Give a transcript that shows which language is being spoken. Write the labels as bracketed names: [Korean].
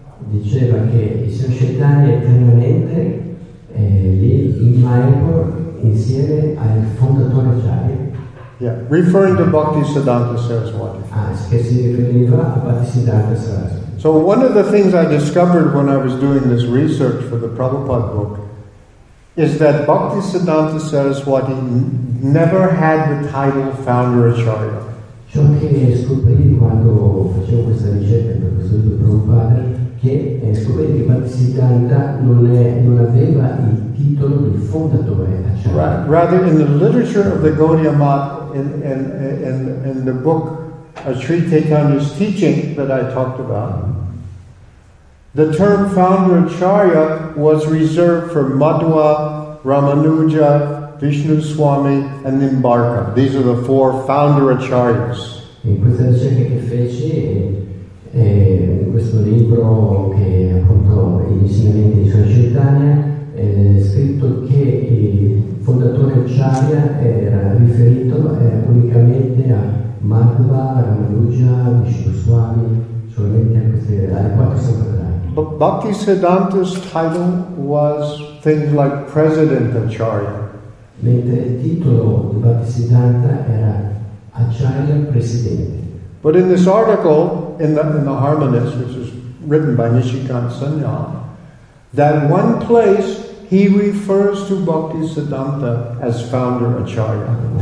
[Italian] Diceva che il Signore Chaitanya è eternamente lì in Mayapur insieme al fondatore Acharya. [English] Yeah, referring to Bhaktisiddhanta Saraswati. So one of the things I discovered when I was doing this research for the Prabhupada book is that Bhaktisiddhanta Saraswati never had the title Founder Acharya. [Italian] Ciò che scoprì quando facevo questa ricerca per questo libro di Prabhupada, che scoprì che Bhaktisiddhanta non aveva il titolo di fondatore Acharya. [English] Rather, in the literature of the Gaudiya Math, in the book Sri Chaitanya's teaching that I talked about, the term Founder Acharya was reserved for Madhva, Ramanuja, Vishnu Swami, and Nimbarka. These are the four Founder Acharyas. [Italian] In questa ricerca che feci, questo libro che appunto gli insegnamenti di Sri Chaitanya, è scritto che il fondatore Acharya era riferito unicamente a Madhva, Ramanuja, Vishnu Swami, solamente a queste alle quattro sampradaya. [English] But Bhaktisiddhanta's title was things like President Acharya. [Italian] Mentre il titolo di Bhaktisiddhanta era Acharya Presidente. [English] But in this article, in the Harmonist, which is written by Nishikant Sanyal, that one place he refers to Bhaktisiddhanta as Founder Acharya.